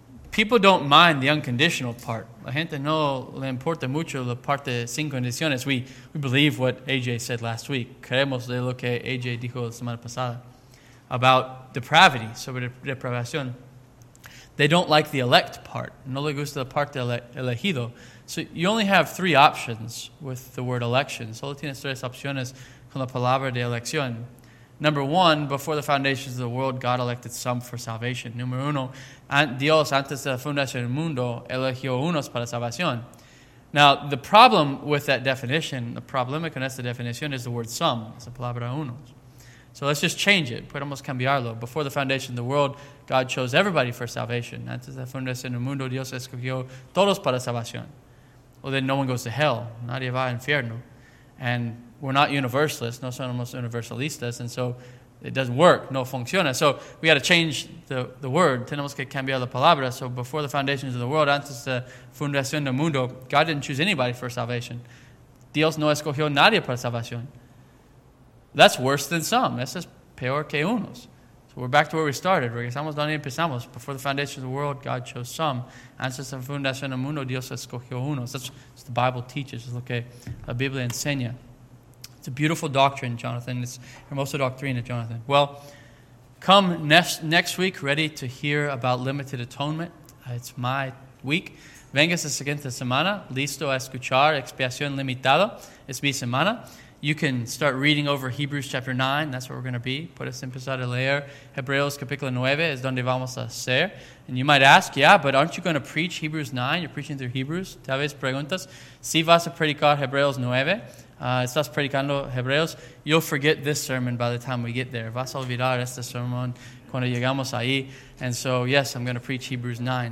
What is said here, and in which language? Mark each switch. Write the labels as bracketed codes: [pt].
[en] People don't mind the unconditional part. [es] La gente no le importa mucho la parte sin condiciones. [en] We believe what AJ said last week. [es] Creemos de lo que AJ dijo la semana pasada [en] about depravity, [es] sobre depravación. [en] They don't like the elect part. [es] No le gusta la parte elegido. [en] So you only have three options with the word election. [es] Solo tienes tres opciones con la palabra de elección. [en] Number one, before the foundations of the world, God elected some for salvation. [es] Número uno, Dios antes de la fundación del mundo eligió unos para salvación. [en] Now, the problem with that definition, the [es] problema con esta definición [en] is the word some. [es] Es la palabra unos. [en] So let's just change it. [es] Podemos cambiarlo. [en] Before the foundation of the world, God chose everybody for salvation. [es] Antes de fundación del mundo, Dios escogió todos para salvación. [en] Well, then no one goes to hell. [es] Nadie va al infierno. [en] And we're not universalists. [es] No somos universalistas. [en] And so it doesn't work. [es] No funciona. [en] So we got to change the word. [es] Tenemos que cambiar la palabra. [en] So before the foundations of the world, [es] antes de fundación del mundo, [en] God didn't choose anybody for salvation. [es] Dios no escogió nadie para salvación. [en] That's worse than some. [es] Eso es peor que unos. [en] So we're back to where we started. [es] Regresamos donde empezamos. [en] Before the foundation of the world, God chose some. [es] Antes de la fundación del mundo, Dios escogió unos. [en] That's what the Bible teaches. [es] Es lo que la Biblia enseña. [en] It's a beautiful doctrine, Jonathan. It's [es] hermosa doctrina, [en] Jonathan. Well, come next week ready to hear about limited atonement. It's my week. [es] Vengas la siguiente semana. Listo a escuchar expiación limitada. Es mi semana. [en] You can start reading over Hebrews chapter 9. That's where we're going to be. [es] Puedes empezar a leer Hebreos capítulo 9. Es donde vamos a ser. [en] And you might ask, yeah, but aren't you going to preach Hebrews 9? You're preaching through Hebrews. [es] Tal vez preguntas. Si vas a predicar Hebreos 9, estás predicando Hebreos, [en] you'll forget this sermon by the time we get there. [es] Vas a olvidar este sermón cuando llegamos ahí. [en] And so, yes, I'm going to preach Hebrews 9.